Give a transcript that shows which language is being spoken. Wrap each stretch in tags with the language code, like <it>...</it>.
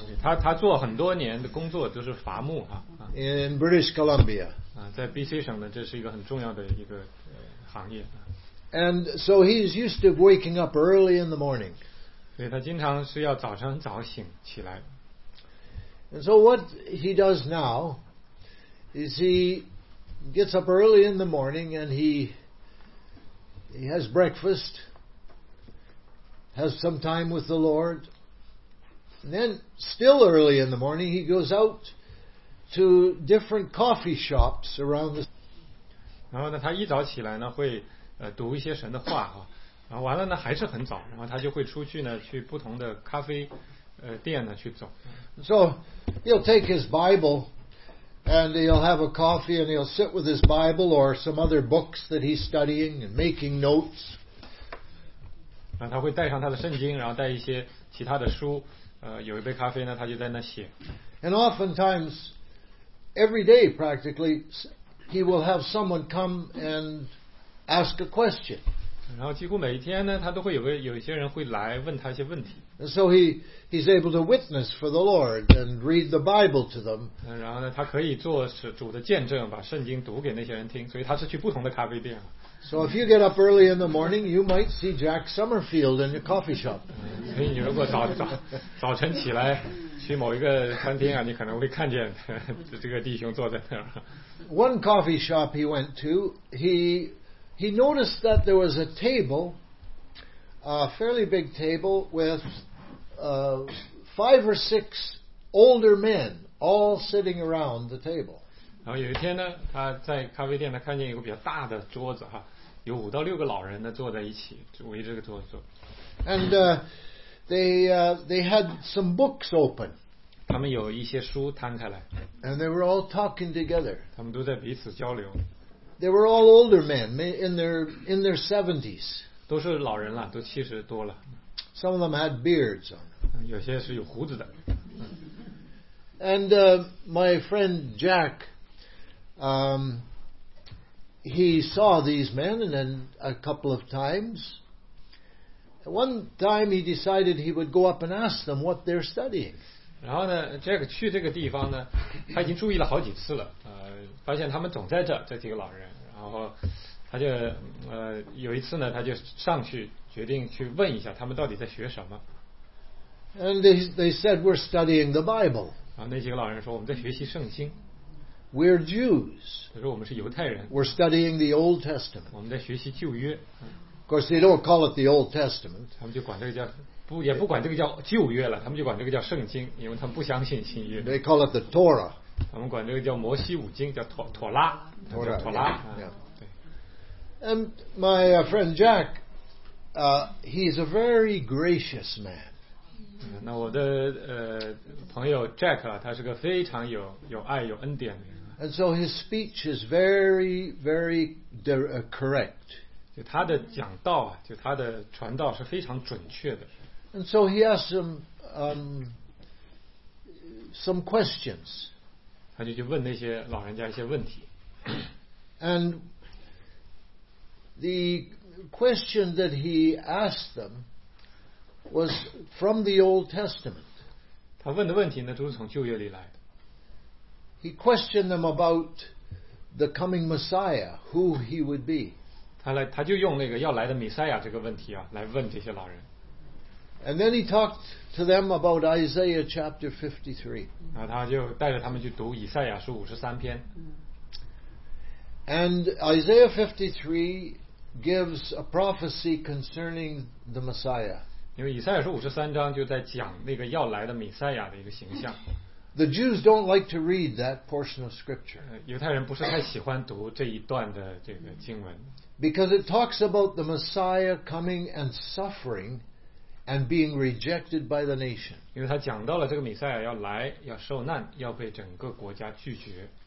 <zh>他做很多年的工作，就是伐木啊。</zh> <en>In British Columbia.</en> <zh>在 BC 省呢，这是一个很重要的一个行业。</zh> <en>And so he's used to waking up early in the morning.</en> <zh>所以他经常是要早上很早醒起来。</zh> <en>And so what he does now is he gets up early in the morning and he has breakfast, has some time with the Lord. And then, still early in the morning, he goes out to different coffee shops around the.</en> <zh>然后呢，他一早起来呢，会读一些神的话哈，然后完了呢，还是很早，然后他就会出去呢，去不同的咖啡店呢去走。</zh> <en>So he'll take his Bible, and he'll have a coffee, and he'll sit with his Bible or some other books that he's studying and making notes.</en> <zh>然后他会带上他的圣经，然后带一些其他的书。有一杯咖啡呢，他就在那写。</zh> <en>And oftentimes, every day practically, he will have someone come and ask a question.</en> <zh>然后几乎每一天呢，他都会有一些人会来问他一些问题。</zh> <en>And so he's able to witness for the Lord and read the Bible to them.</en> <zh>然后呢，他可以做主的见证，把圣经读给那些人听。所以他是去不同的咖啡店。</zh> <en>So if you get up early in the morning, you might see Jack Summerfield in your coffee shop.</en> <zh>所以你如果早晨起来去某一个餐厅啊，你可能会看见这个弟兄坐在那儿。</zh> <en>One coffee shop he went to, he noticed that there was a table, a fairly big table with five or six older men all sitting around the table.</en> <zh>然后有一天呢，他在咖啡店呢看见一个比较大的桌子哈。有五到六个老人呢坐在一起，围着这个桌子坐。</zh> <en>And they had some books open.</en> <zh>他们有一些书摊开来。</zh> <en>And they were all talking together.</en> <zh>他们都在彼此交流。</zh> <en>They were all older men, in their seventies.</en> <zh>都是老人了，都七十多了。</zh> <en>Some of them had beards on.</en> <zh>有些是有胡子的。</zh> <en>And my friend Jack, He saw these men and then a couple of times. One time he decided he would go up and ask them what they're studying.</en> <zh>然后呢 ，Jack 去这个地方呢，他已经注意了好几次了，发现他们总在这几个老人。然后他就有一次呢，他就上去决定去问一下他们到底在学什么。</zh> <en>And they said we're studying the Bible.</en> <zh>然后那几个老人说我们在学习圣经。</zh> <en>We're Jews.</en> <zh>他说我们是犹太人。</zh> <en>We're studying the Old Testament.</en> <zh>我们在学习旧约。</zh> <en>Of course, they don't call it the Old Testament.</en> <zh>他们就管这个叫不也不管这个叫旧约了，他们就管这个叫圣经，因为他们不相信新约。</zh> <en>They call it the Torah.</en> <zh>他们管这个叫摩西五经，叫妥拉。妥拉。 Yeah.</zh> <en>And my friend Jack, he's a very gracious man.</en> <zh>那我的朋友 Jack 他是个非常有爱有恩典的人。</zh> <en>And so his speech is very, very correct.</en> <zh>就他的讲道啊，就他的传道是非常准确的。</zh> <en>And so he asked him, some questions.</en> <zh>他就去问那些老人家一些问题。</zh> <en>And the question that he asked them was from the Old Testament.</en> <zh>他问的问题呢，都是从旧约里来的。</zh> <en>He questioned them about the coming Messiah, who he would be.</en> <zh>他就用那个要来的弥赛亚这个问题啊，来问这些老人。</zh> <en>And then he talked to them about Isaiah chapter 53.</en> <zh>他就带着他们去读以赛亚书五十三篇。</zh> <en>And Isaiah 53 gives a prophecy concerning the Messiah.</en> <zh>因为以赛亚书五十三章就在讲那个要来的弥赛亚的一个形象。</zh> <en>The Jews don't like to read that portion of scripture.</en> <zh>犹太人不是太喜欢读这一段的这个经文。</zh> <en>Because it talks about the Messiah coming and suffering. And being rejected by the nation.</en> <zh>因为他讲到了这个弥赛亚要来，要受难，要被整个国家拒绝。</zh>